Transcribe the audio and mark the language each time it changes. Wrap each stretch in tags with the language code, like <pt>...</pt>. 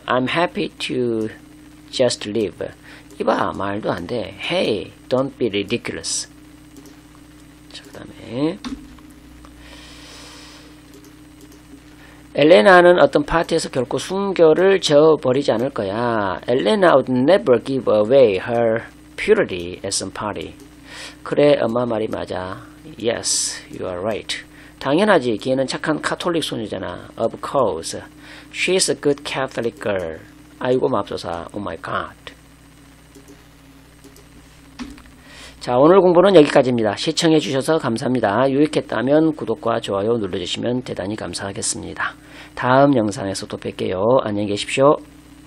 <en>I'm happy to just leave.</en> <ko>이봐, 말도 안 돼.</ko> <en>Hey, don't be ridiculous.</en> <ko>자, 그 다음에 엘레나는 어떤 파티에서 결코 순결을 저버리지 않을 거야.</ko> <en>Elena would never give away her purity at some party.</en> <ko>그래, 엄마 말이 맞아.</ko> <en>Yes, you are right.</en> <ko>당연하지, 걔는 착한 카톨릭 소녀잖아.</ko> <en>Of course. She's a good Catholic girl.</en> <ko>아이고, 맙소사.</ko> <en>Oh my God.</en> <ko>자, 오늘 공부는 여기까지입니다. 시청해 주셔서 감사합니다. 유익했다면 구독과 좋아요 눌러주시면 대단히 감사하겠습니다. 다음 영상에서 또 뵐게요. 안녕히 계십시오.</ko>